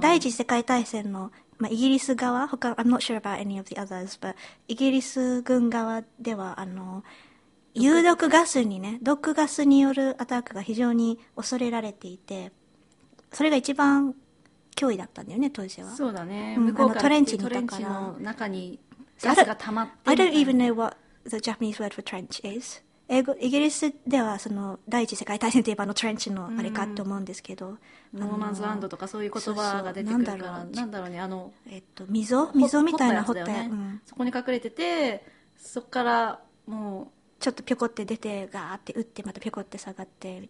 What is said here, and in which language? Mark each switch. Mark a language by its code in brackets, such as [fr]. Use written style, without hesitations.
[ja] 第一次世界大戦の、まあ、イギリス側、他 [en] I'm not sure about any of the others but [ja] イギリス軍側では有毒ガスにね、毒ガスによるアタックが非常に恐れられていて、それが一番脅威だったんだよね当時は。そうだね、うん、向こうからトレンチにいたから、トレンチの中にガスが溜まって、 [en] I don't even know what the Japanese word for trench is。 [ja] 英語、イギリスではその第一次世界大戦といえばトレンチのあれかと思うんですけど、ノーマンズランドとかそういう言葉が出てくるから、そうそう、なんだろうね、溝、溝みたいな掘って、ね、うん、そこに隠れてて、そこからもうちょっとピョコって出てガーって打ってまたピョコって下がってみたいな、